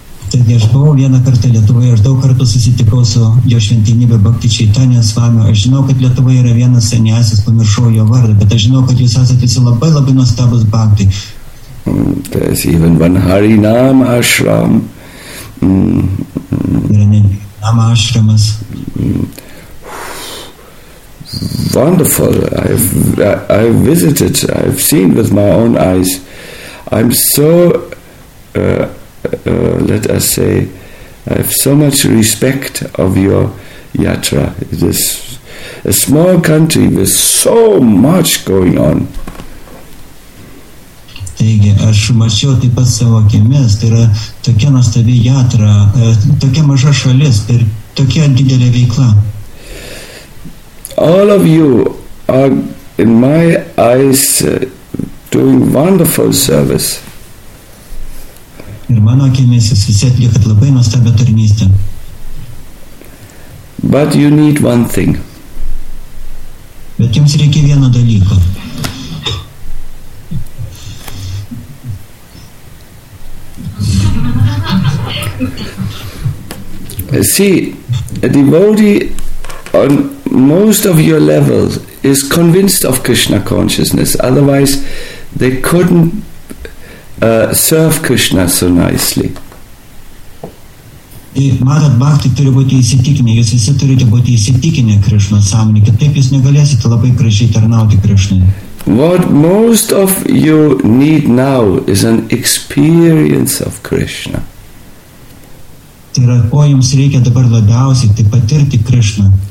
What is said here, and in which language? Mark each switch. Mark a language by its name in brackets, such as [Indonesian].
[Lithuanian] Taigi aš buvau vieną kartą Lietuvoje, aš daug kartų susitikau su jo šventinybė Bhakti Chaitanya Swami. Aš žinau, kad Lietuvoje yra vienas senesis, pamiršau jo vardą, bet aš žinau, kad jūs esate visi labai labai nuostabus bhakti. [English] There's even one Harinam ashram. [Lithuanian] Yra ne, Nam ashramas. [English] Wonderful. I've visited, I've seen with my own eyes. I'm so, let us say, I have so much respect of your yatra. It is a small country with so much going on. [Lithuanian] Taigi, aš mačiau taip pat savo akimis, tai yra tokia nuostabi yatra, tokia maža šalis ir tokia didelė veikla. [English] All of you are, in my eyes, doing wonderful service. [Lithuanian] Ir mano akimis jūs visi atliekat labai nuostabią tarnystę. [English] But you need one thing. [Lithuanian] Bet jums reikia vieno dalyko. [English] See, a devotee on most of your level is convinced of Krishna consciousness, otherwise they couldn't serve Krishna so nicely. [Lithuanian] Matot, bhakti turi būti įsitikinę, jūs visi turite būti įsitikinę Krishna sąmonį, kad taip jūs negalėsite labai gražiai tarnauti Krishnai. [English] What most of you need now is an experience of Krishna. [Lithuanian] Tai yra, ko jums reikia dabar labiausiai, tai patirti Krishna.